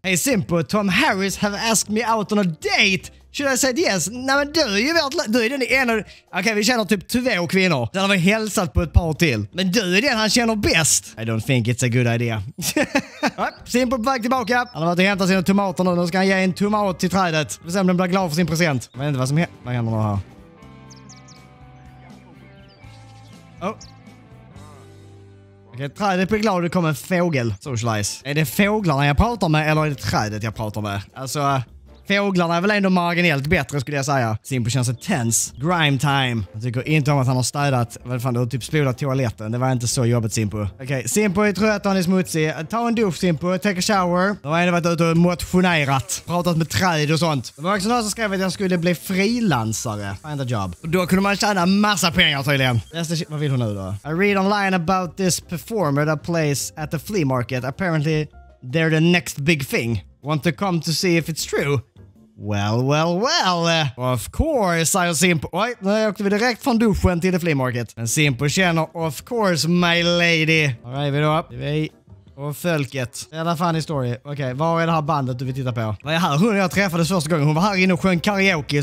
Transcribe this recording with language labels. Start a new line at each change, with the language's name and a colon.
English: Hey Simpo, Tom Harris have asked me out on a date. Should I say yes?
Swedish: Nej, men du är ju vårt... Du är den ena... Okej, vi känner typ två kvinnor. Den har vi hälsat på ett par till. Men du är den han känner bäst.
English: I don't think it's a good idea.
Swedish: Simpo på väg tillbaka. Han har varit och hämtat sina tomater nu. Nu ska han ge en tomat till trädet. För att se om den blir glad för sin present. Jag vet inte vad som vad händer nu här. Oh. Okej, trädet blir glad. Det kommer en fågel. Socialize. Är det fåglarna jag pratar med eller är det trädet jag pratar med? Alltså... Fåglarna är väl ändå marginellt bättre skulle jag säga. Simpo känns det tense. Grime time. Jag tycker inte om att han har städat. Vad fan, du har typ spolat toaletten. Det var inte så jobbigt, Simpo. Okej, Simpo är trött, han är smutsig. Ta en dusch, Simpo.
English: Take a shower.
Swedish: Då har jag ändå varit ute och motionerat. Pratat med träd och sånt. Det var också någon som skrev att jag skulle bli frilansare.
English: Find a job.
Swedish: Och då kunde man tjäna massa pengar tydligen. Vad vill hon nu då?
English: I read online about this performer that plays at the flea market. Apparently they're the next big thing. Want to come to see if it's true? Well, well, well. Of course, sa Simpo.
Swedish: Oj, nu åkte vi direkt från duschen till
English: the flea market.
Swedish: Men Simpo känner,
English: of course, my lady.
Swedish: Här är vi då. Vi och folket. Jävla
English: funny story.
Swedish: Okej, var är det här bandet du vill titta på? Vad är här? Hon och jag träffades första gången. Hon var här inne och sjöng karaoke.